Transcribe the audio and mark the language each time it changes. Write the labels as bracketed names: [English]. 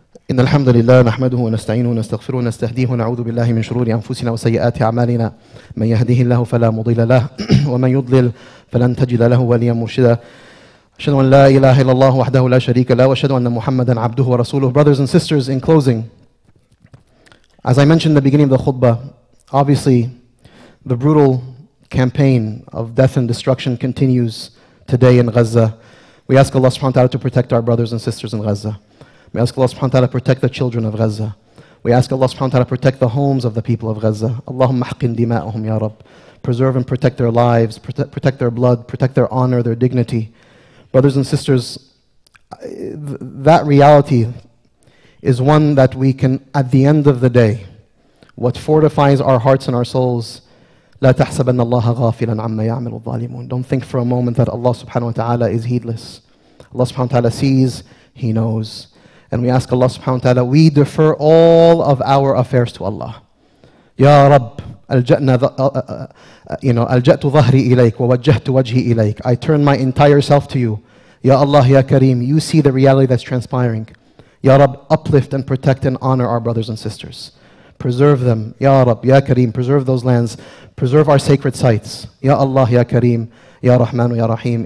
[Arabic] إن الحمد لله نحمده ونستعينه ونستغفره ونستهديه ونعوذ بالله من شرور أنفسنا وسيئات أعمالنا. من يهده الله فلا مضل له ومن يضلل فلن تجد له وليا مرشدا. أشهد أن لا إله إلا الله وحده لا شريك له وأشهد أن محمدا عبده ورسوله. [English] Brothers and sisters, in closing, as I mentioned in the beginning of the khutbah, obviously the brutal campaign of death and destruction continues today in Gaza. We ask Allah subhanahu wa ta'ala to protect our brothers and sisters in Gaza. We ask Allah subhanahu wa ta'ala to protect the children of Gaza. We ask Allah subhanahu wa ta'ala to protect the homes of the people of Gaza. [Arabic] Allahumma haqqin dima'ahum ya Rabb. [English] Preserve and protect their lives, protect their blood, protect their honor, their dignity. Brothers and sisters, that reality is one that we can, at the end of the day, what fortifies our hearts and our souls, [Arabic] لَا تَحْسَبَنَّ اللَّهَ غَافِلًا عَمَّا يَعْمِلُ الظَّالِمُونَ. [English] Don't think for a moment that Allah subhanahu wa ta'ala is heedless. Allah subhanahu wa ta'ala sees, He knows. And we ask Allah subhanahu wa ta'ala, we defer all of our affairs to Allah. [Arabic] Ya Rabb, أَلْجَأْتُ ظَهْرِي إِلَيْكَ وَوَجَّهْتُ وَجْهِي إِلَيْكَ. [English] I turn my entire self to you. Ya Allah, Ya Kareem, you see the reality that's transpiring. Ya Rabb, uplift and protect and honor our brothers and sisters. Preserve them. Ya Rabb, Ya Kareem, preserve those lands. Preserve our sacred sites. Ya Allah, Ya Kareem, Ya Rahman, Ya Rahim.